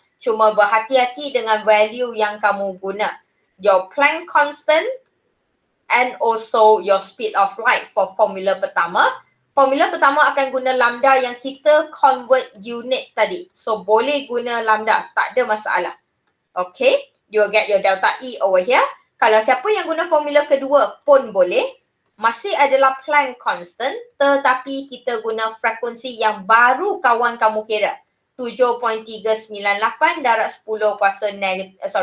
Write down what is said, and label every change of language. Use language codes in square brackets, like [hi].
[ms] Cuma berhati-hati dengan value yang kamu guna. [en] Your Planck constant and also your speed of light for formula pertama. [ms] Formula pertama akan guna lambda yang kita convert unit tadi. So boleh guna lambda. Tak ada masalah. Okay. [en] You will get your delta E over here. [ms] Kalau siapa yang guna formula kedua pun boleh. Masih adalah Planck constant, tetapi kita guna frekuensi yang baru kawan kamu kira. 7.398 darab 10 kuasa -13.